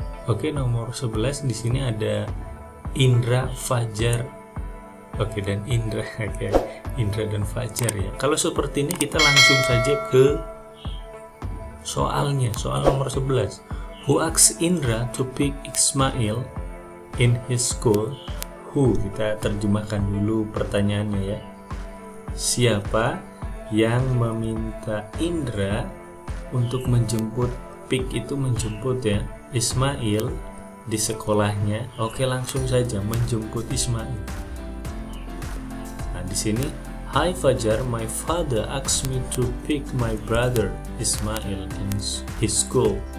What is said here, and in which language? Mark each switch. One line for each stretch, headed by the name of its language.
Indonesian: Oke, nomor 11 di sini ada Indra Fajar. Oke, dan Indra. Oke, Indra dan Fajar ya. Kalau seperti ini kita langsung saja ke soalnya, soal nomor 11.
English: Who asked Indra to pick Ismail in his school?
Indonesian: who, kita terjemahkan dulu pertanyaannya ya. Siapa yang meminta Indra untuk menjemput Pik itu, menjemput ya Ismail di sekolahnya? Oke, langsung saja menjemput Ismail. Nah, di sini,
English: "Hi Fajar, my father asked me to pick my brother Ismail in his school."